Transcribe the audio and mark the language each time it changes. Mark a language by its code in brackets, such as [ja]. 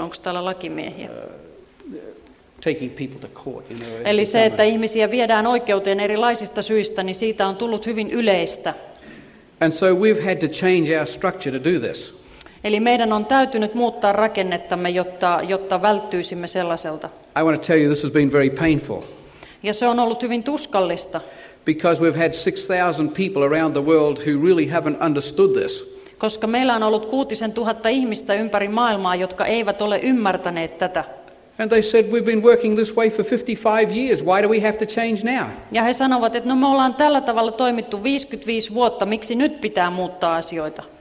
[fi] Onko täällä lakimiehiä? [en] Taking people to court. You know, [fi] eli se, että ihmisiä viedään oikeuteen erilaisista syistä, niin siitä on tullut hyvin yleistä. [en] And so we've had to change our structure to do this. [fi] Eli meidän on täytynyt muuttaa rakennettamme, jotta välttyisimme sellaiselta. [en] I want to tell you this has been very painful. [fi] Ja se on ollut hyvin tuskallista. [en] Because we've had 6,000 people around the world who really haven't understood this. [fi] Koska meillä on ollut 6,000 ihmistä ympäri maailmaa, jotka eivät ole ymmärtäneet tätä. [en] And they said we've been working this way for 55 years. Why do we have to change now? [fi] Ja he sanovat, että no, me ollaan tällä tavalla toimittu 55 vuotta, miksi nyt pitää muuttaa asioita?